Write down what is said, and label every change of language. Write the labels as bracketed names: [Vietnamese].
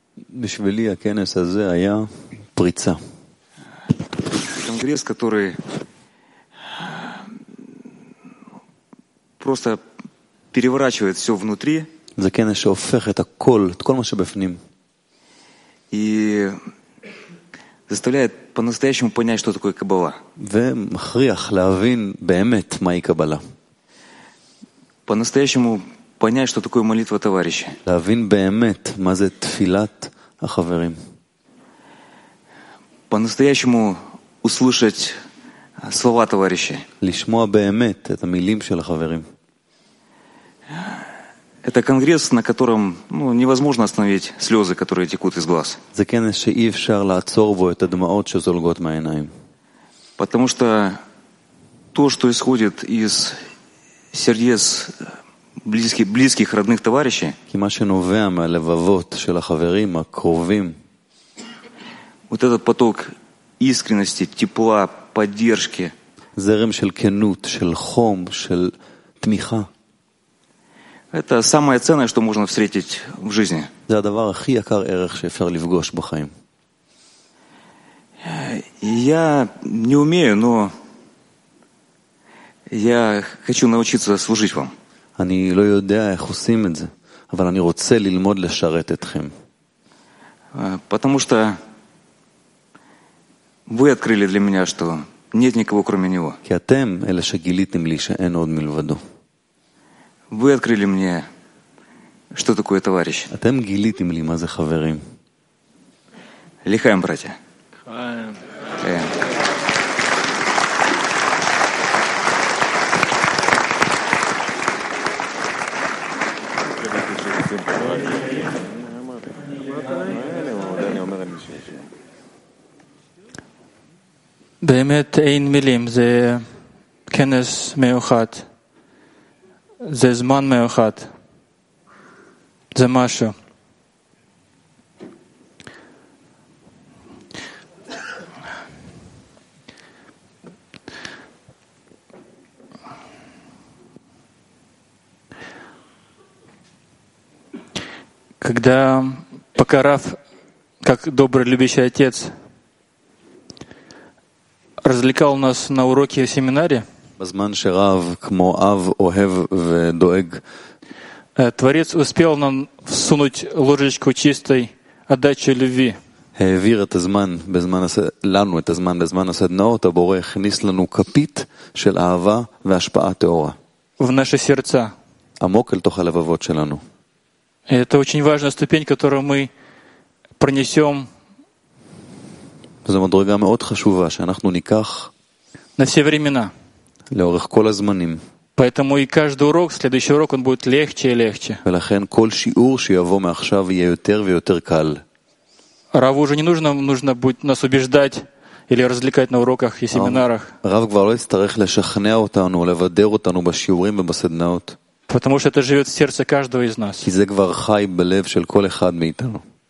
[Hebrew] בשבילי הכנס הזה היה פריצה. [Russian] קונגרס который просто переворачивает всё внутри. [Hebrew] זה כנס שהופך את הכל, את כל מה שבפנים. [Russian] И заставляет по-настоящему понять, что такое каббала. [Hebrew] ומכריח להבין באמת מהי קבלה. [Russian] По-настоящему понять, что такое молитва товарища. [Hebrew] להבין באמת מה זה תפילת החברים. [Russian] По-настоящему услышать слова товарища. [Hebrew] לשמוע באמת את המילים של החברים. [Russian] Это конгресс, на котором, ну, невозможно остановить слёзы, которые текут из глаз. [Hebrew] זה כנס שאי אפשר לעצור בו את הדמעות שזולגות מהעיניים. [Russian] Потому что то, что исходит из сердец близких родных товарищей, [Hebrew] כי מה שנובע מהלבבות של החברים הקרובים, [Russian] вот этот поток искренности, тепла, поддержки, [Hebrew] זרם של כנות, של חום, של תמיכה, [Russian] это самое ценное, что можно встретить в жизни. [Hebrew] זה הדבר הכי יקר ערך שאפשר לפגוש בחיים. [Russian] Я не умею, но я хочу научиться служить вам. [Hebrew] אני לא יודע איך עושים את זה, אבל אני רוצה ללמוד לשרת אתכם. [Russian] Потому что вы открыли для меня, что нет никого кроме него. [Hebrew] כי אתם אלה שגיליתם לי שאין עוד מלבדו. [Russian] Вы открыли мне, что такое товарищ. [Hebrew] אתם גיליתם לי מה זה חברים. לחיים, [Russian] братья. [Hebrew] לחיים. באמת אין מילים, זה כנס מיוחד, זה זמן מיוחד, זה משהו. [Russian] Когда покарав, как добрый любящий отец, развлекал нас на уроке в семинаре, [Hebrew] בזמן שרב, כמו אב אוהב ודואג, [Russian] творец успел нам всунуть ложечку чистой отдачи любви. [Hebrew] העביר את הזמן בזמן לנו את הזמן בזמן הסדנאות, הבורא הכניס לנו כפית של אהבה והשפעה טהורה. ונשי סרצה. עמוק אל תוך הלבבות שלנו. [Russian] Это очень важная ступень, которую мы пронесем. [Hebrew] זו מדרגה מאוד חשובה שאנחנו ניקח [Russian] на все времена. [Hebrew] לאורך כל הזמנים. [Russian] Поэтому и каждый урок, следующий урок, он будет легче и легче. [Hebrew] ולכן כל שיעור שיבוא מעכשיו יהיה יותר ויותר קל. [Russian] Рав уже не нужно, нужно будет нас убеждать или развлекать на уроках и семинарах. [Hebrew] Рав כבר לא יצטרך לשכנע אותנו, לבדר אותנו בשיעורים ובסדנאות. [Russian] Потому что это живет в сердце каждого из нас. [Hebrew] כי זה כבר חי בלב של כל אחד מאיתנו.